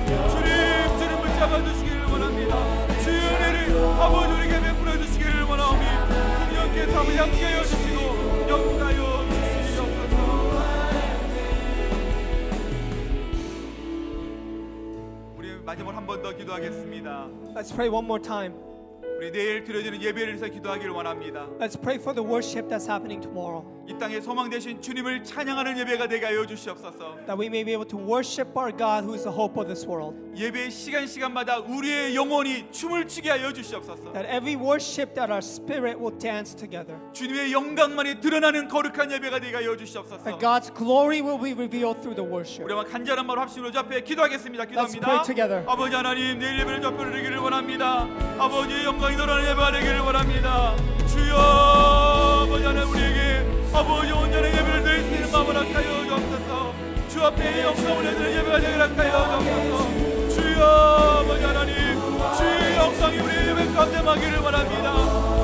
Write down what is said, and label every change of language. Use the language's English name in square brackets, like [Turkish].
[Korean] 주님 주님을 잡아주시기를 원합니다. 주의 은혜를 아버지 우리에게 베풀어 주시기를 원하오니 성령께서 아버지 함께 하여 주시고 영원하여 주시옵소서. 우리 마지막으로 한 번 더 기도하겠습니다. [English] Let's pray one more time. [Korean] 우리 내일 드려지는 예배를 위해서 기도하기를 원합니다. [English] Let's pray for the worship that's happening tomorrow. [Korean] 이 땅에 소망되신 주님을 찬양하는 예배가 되게 하여 주시옵소서. [English] That we may be able to worship our God who is the hope of this world. [Korean] 예배 시간마다 우리의 영혼이 춤을 추게 하여 주시옵소서. [English] That every worship that our spirit will dance together. [Korean] 주님의 영광만이 드러나는 거룩한 예배가 되게 하여 주시옵소서. [English] That God's glory will be revealed through the worship. [Korean] 우리 간절한 마음으로 합심으로 앞에 기도하겠습니다. 기도합니다. [English] Let's pray together. [Korean] 아버지 하나님 내일 예배를 드리기를 원합니다. 아버지 영광이 드러나는 예배가 되기를 원합니다. 주여 아버지 하나님 우리에게 아버지 온전한 예배를 드릴 수 있는 마음을 하여 주옵소서. 주 앞에 영광을 내드리는 예배가 되기를 하여 주옵소서. 주여 아버지 하나님 주의 영광이 우리 예배 가운데 임하기를 원합니다.